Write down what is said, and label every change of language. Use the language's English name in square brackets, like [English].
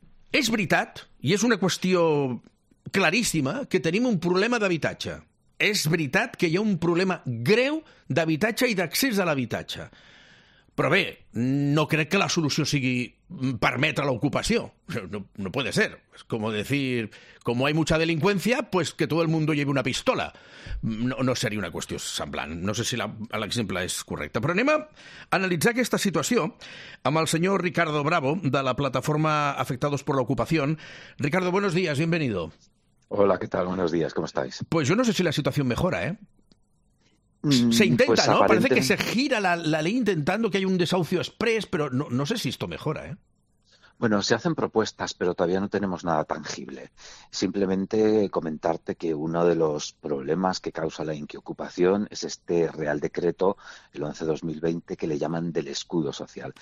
[Catalan] És veritat, i és una qüestió claríssima, que tenim un problema d'habitatge. És veritat que hi ha un problema greu d'habitatge i d'accés a l'habitatge. Però bé, no crec que la solució sigui permetre l'ocupació. [Spanish] No puede ser. Es como decir, como hay mucha delincuencia, pues que todo el mundo lleve una pistola. [Catalan] No seria una qüestió semblant. No sé si l'exemple és correcte. Però anem a analitzar aquesta situació amb el senyor Ricardo Bravo, de la plataforma Afectados por la Ocupación. [Spanish] Ricardo, buenos días, bienvenido. Hola, ¿qué tal? Buenos días, ¿cómo estáis? Pues yo no sé si la situación mejora, ¿eh? Se intenta, pues, ¿no? Parece que se gira la ley intentando que haya un desahucio exprés, pero no sé si esto mejora, ¿eh? Bueno, se hacen propuestas, pero todavía no tenemos nada tangible. Simplemente comentarte que uno de los problemas que causa la inquiocupación es este Real Decreto, el 11-2020, que le llaman del escudo social.